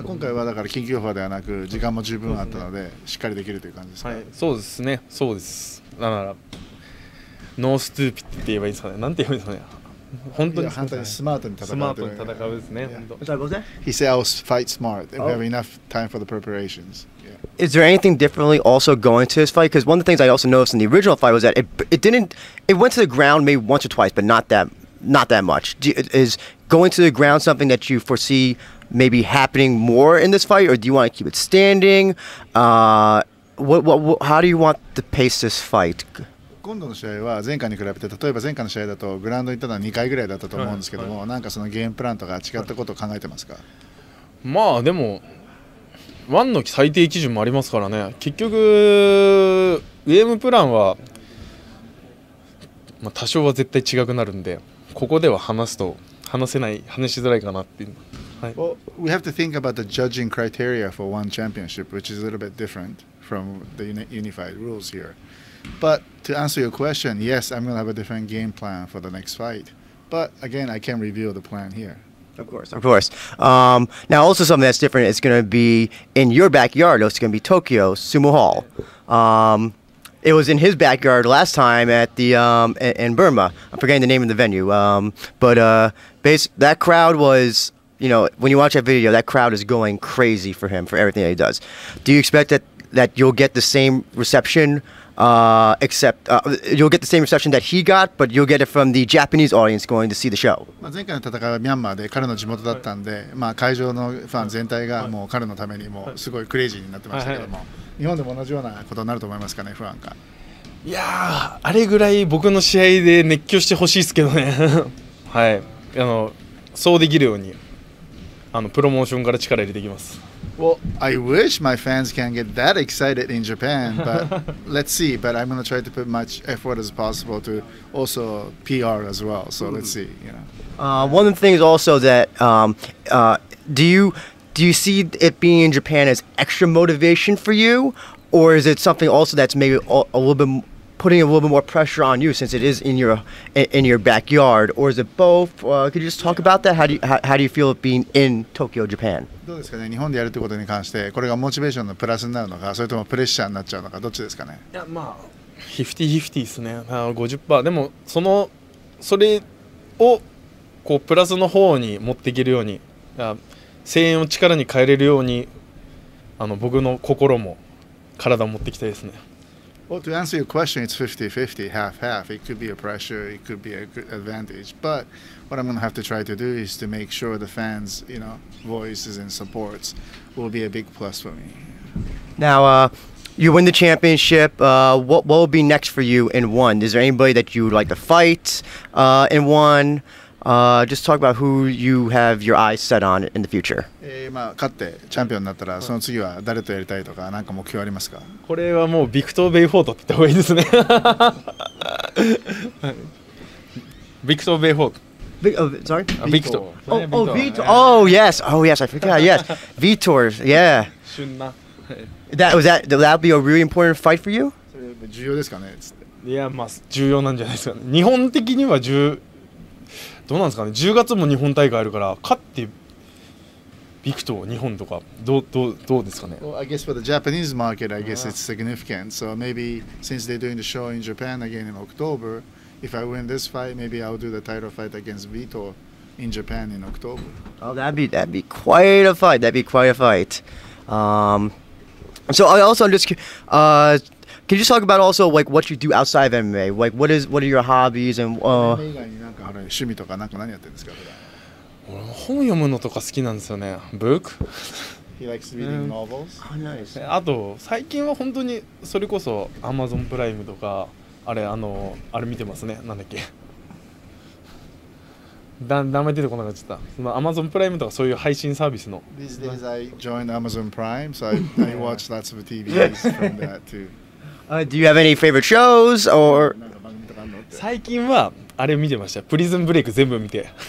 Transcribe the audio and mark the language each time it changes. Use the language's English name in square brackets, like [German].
[Japanese] 今回はだから緊急法ではなく時間も十分あったのでしっかりできるという感じですか。そうですね、そうです。だからノーストゥーピッドって言えばいいですかね。なんて言えばいいですかね。本当に反対にスマートに戦う。スマートに戦うですね。 [English] He said, I'll fight smart. We have enough time for the preparations. Is there anything differently also going to this fight? Because one of the things I also noticed in the original fight was that it went to the ground maybe once or twice, but not that much. Is going to the ground something that you foresee maybe happening more in this fight, or do you want to keep it standing? How do you want to pace this fight? [Japanese] 今度の試合は前回に比べて、例えば前回の試合だとグラウンド行ったのは2回ぐらいだったと思うんですけども、なんかそのゲームプランとか違ったことを考えてますか？まあでも。ワンの最低基準もありますからね。結局ウェームプランは、まあ、多少は絶対違くなるんで、ここでは話しづらいかなっていう。はい。 [English] Well, we have to think about the judging criteria for one championship, which is a little bit different from the unified rules here. But to answer your question, yes, I'm going to have a different game plan for the next fight. But again, I can't reveal the plan here. Of course, of course. Now, also something that's different, it's going to be in your backyard. It's going to be Tokyo Sumo Hall. It was in his backyard last time at the in Burma. I'm forgetting the name of the venue. That crowd was, you know, when you watch that video, that crowd is going crazy for him, for everything that he does. Do you expect that you'll get the same reception, you'll get the same reception that he got, but you'll get it from the Japanese audience going to see the show? [Japanese] まあ前回の戦いはミャンマーで彼の地元だったんで、まあ会場のファン全体がもう彼のためにもうすごいクレイジーになってましたけども、日本でも同じようなことになると思いますかね、不安か。いやー、あれぐらい僕の試合で熱狂してほしいですけどね。はい、あのそうできるようにあのプロモーションから力入れていきます。 [English] Well, I wish my fans can get that excited in Japan, but let's see. But I'm going to try to put much effort as possible to also PR as well. So let's see. One of the things also that do you see it being in Japan as extra motivation for you? Or is it something also that's maybe a little bit putting a little bit more pressure on you since it is in your backyard, or is it both? Could you just talk about that? How do you feel it being in Tokyo, Japan? [Japanese] どうですかね、日本でやるということに関してこれがモチベーションのプラスになるのか、それともプレッシャーになっちゃうのか、どっちですかね。いや、まあ、50-50ですね。50%。でも、それをこうプラスの方に持っていけるように、声援を力に変えれるように、僕の心も体を持っていきたいですね。 [English] Well, to answer your question, it's 50-50, half-half. It could be a pressure, it could be an advantage. But what I'm going to have to try to do is to make sure the fans', you know, voices and supports will be a big plus for me. Now, you win the championship. What will be next for you in ONE? Is there anybody that you would like to fight in ONE? Just talk about who you have your eyes set on in the future. [Japanese] まあ、勝ってチャンピオンになったら、その次は誰とやりたいとか、何か目標ありますか？これはもうビクトー・ベイフォートって言った方がいいですね。ビクトー・ベイフォート。 [English] Vitor, yes, I forgot, yes. Vitor, yeah. Shunna. That would be a really important fight for you? [Japanese] それ重要ですかね、つって。いや、まあ、重要なんじゃないですかね。日本的には重要。どうなんですかね、10月も日本大会あるから、勝ってビクトー日本とかどうですかね。 [English] Well, I guess for the Japanese market, I guess it's significant. So maybe since they're doing the show in Japan again in October, if I win this fight, maybe I'll do the title fight against Vito in Japan in October. Oh, that'd be quite a fight. That'd be quite a fight. So I also understand. Can you just talk about also like what you do outside of MMA? Like what are your hobbies and what are your hobbies? I like reading books. He likes reading novels. Oh, nice. [Japanese] あと最近は本当にそれこそ Amazon Prime とかあれ見てますね。なんだっけ。名前出てこなかった。その Amazon Prime とかそういう配信サービスの。 [English] These days I joined Amazon Prime, so I watch lots of TVs from that too. Do you have any favorite shows or? [Japanese] 最近はあれ見てました。プリズンブレイク全部見て。